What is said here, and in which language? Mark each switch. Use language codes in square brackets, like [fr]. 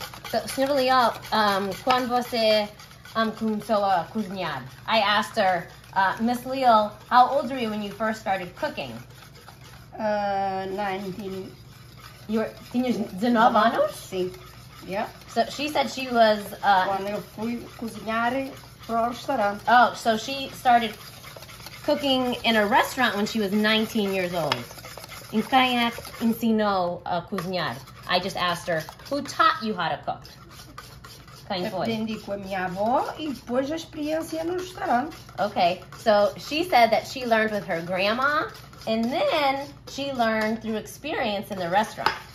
[pt] So, Sylvia Matias, quando você começou a cozinhar. [en] I asked her, Miss Leal, how old were you when you first started cooking? [pt] 19. [en] You were, [pt] tinha 19 anos? Sim. Yeah. [en] So she said she was, [pt] quando eu fui cozinhar para o restaurante. [en] Oh, so she started cooking in a restaurant when she was 19 years old. [pt] Em quem é que ensinou a cozinhar? [en] I just asked her, who taught you how to cook? [pt] Aprendi com a minha avó e depois a experiência no restaurante. [en] Okay, so she said that she learned with her grandma and then she learned through experience in the restaurant.